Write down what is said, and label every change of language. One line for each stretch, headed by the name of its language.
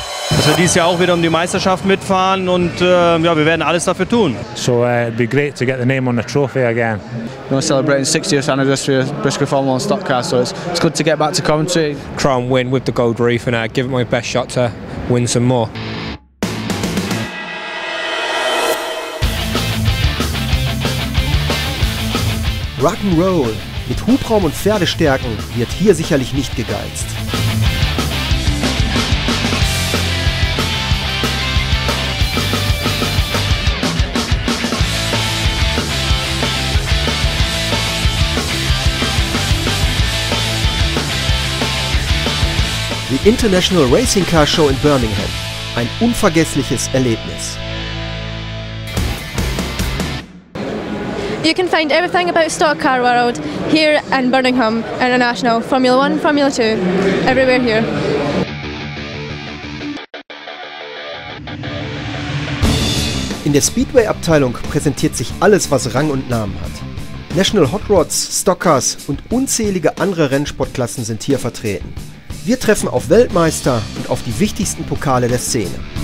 German: Also dieses Jahr auch wieder um die Meisterschaft mitfahren und ja, wir werden alles dafür tun.
English: So it'd be great to get the name on the trophy again. We're celebrating 60th anniversary of Birmingham Formula One Stock Car, so it's good to get back to Coventry. Try and win with the gold reef and give it my best shot to win some more.
German: Rock'n'Roll mit Hubraum und Pferdestärken wird hier sicherlich nicht gegeizt. Die International Racing Car Show in Birmingham. Ein unvergessliches Erlebnis.
English: You can find everything about Stock Car World here in Birmingham, International, Formula 1, Formula 2, everywhere here.
German: In der Speedway-Abteilung präsentiert sich alles, was Rang und Namen hat. National Hot Rods, Stock Cars und unzählige andere Rennsportklassen sind hier vertreten. Wir treffen auf Weltmeister und auf die wichtigsten Pokale der Szene.